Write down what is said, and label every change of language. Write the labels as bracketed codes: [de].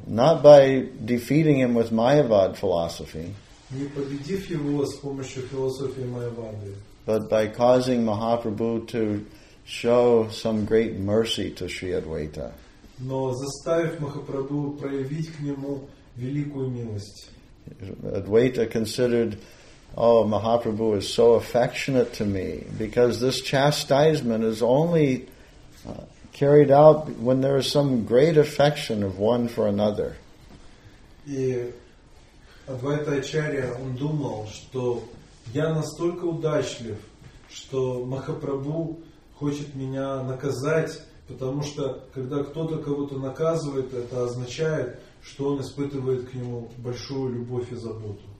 [en] Not by defeating him with Mayavad philosophy. [ru] Не победив его с помощью философии Майявады. [en] But by causing Mahaprabhu to show some great mercy to Sri Advaita. [ru] Но заставив Махапрабху проявить к нему великую милость. [en] Advaita considered, Mahaprabhu is so affectionate to me, because this chastisement is only carried out when there is some great affection of one for another. [ru] И Адвайта Ачарья, он думал, что я настолько удачлив, что Махапрабху хочет меня наказать, потому что когда кто-то кого-то наказывает, это означает, что он испытывает к нему большую любовь и заботу.